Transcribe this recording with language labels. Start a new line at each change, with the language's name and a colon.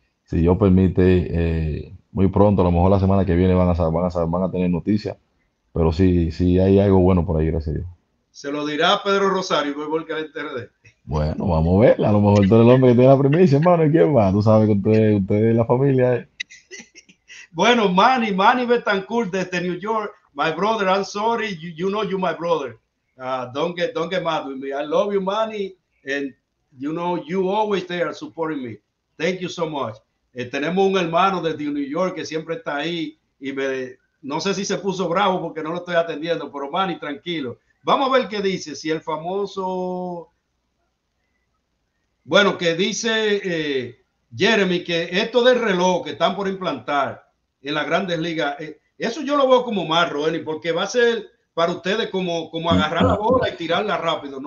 Spanish: Si Dios permite, muy pronto, a lo mejor la semana que viene van a tener noticias. Pero sí, hay algo bueno por ahí, gracias a Dios. Se lo dirá Pedro Rosario, voy porque al internet. Bueno, vamos a ver. A lo mejor tú eres el hombre que tiene la primicia, hermano. ¿Y quién va? Tú sabes que usted es la familia. Bueno,
English: Manny Betancourt desde New York. My brother, I'm sorry. You know you're my brother. Don't get mad with me. I love you, Manny. And you know, you always there supporting me. Thank you so much.
Spanish: Tenemos un hermano desde New York que siempre está ahí y me, no sé si se puso bravo porque no lo estoy atendiendo, pero Manny, tranquilo. Vamos a ver qué dice. Si el famoso... Bueno, que dice Jeremy que esto del reloj que están por implantar en las grandes ligas, eso yo lo veo como más, Roeni, porque va a ser para ustedes como agarrar la bola y tirarla rápido.